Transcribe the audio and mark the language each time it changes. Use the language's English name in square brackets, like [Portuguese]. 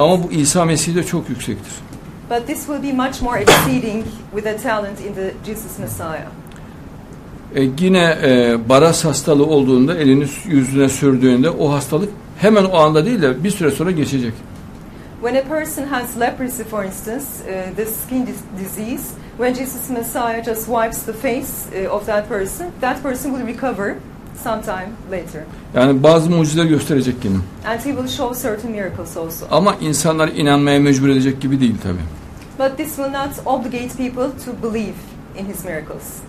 [Turkish] Ama bu İsa Mesih de çok yüksektir. [English] But this will be much more exceeding with a talent in the Jesus Messiah. [Turkish] Yine baras hastalığı olduğunda, elini yüzüne sürdüğünde o hastalık hemen o anda değil de bir süre sonra geçecek. [English] When a person has leprosy, for instance, the skin disease, when Jesus Messiah just wipes the face of that person will recover sometime later. [Turkish] Yani bazı mucizeler gösterecek yine. [English] And he will show certain miracles also. [Turkish] Ama insanlar inanmaya mecbur edecek gibi değil tabii. [English] But this will not obligate people to believe in his miracles.